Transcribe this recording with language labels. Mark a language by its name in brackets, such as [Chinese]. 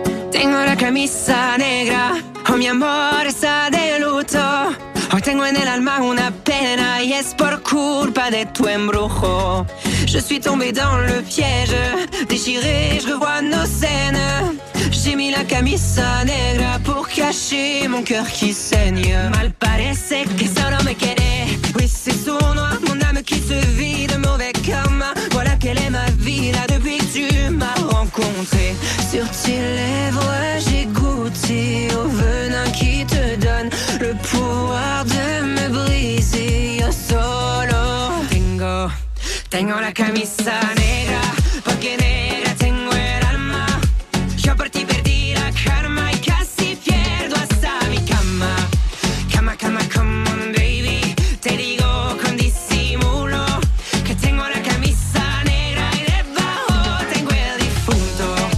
[Spanish] Tengo la camisa negra, oh mi amor está de luto. Hoy tengo en el alma una pena y es por culpa de tu embrujo. [French] Je suis tombé dans le piège, déchiré, je revois nos scènes. J'ai mis la camisa negra pour cacher mon cœur qui saigne. [Spanish] Mal parece que solo me quiere. [French] Oui, c'est sournois, mon âme qui se vide, mauvais karma. Voilà quelle est ma vie là depuis que tu m'as rencontré. Sur tes lèvres, j'ai goûté au venin qui te donne le pouvoir de me briser. [Spanish] Yo solo tengo, tengo la camisa negra. Porque negra tengo el alma. Yo por ti perdí la calma y casi pierdo hasta mi cama. Cama, cama, [English] come on baby. [Spanish] Te digo con disimulo que tengo la camisa negra y debajo tengo el difunto.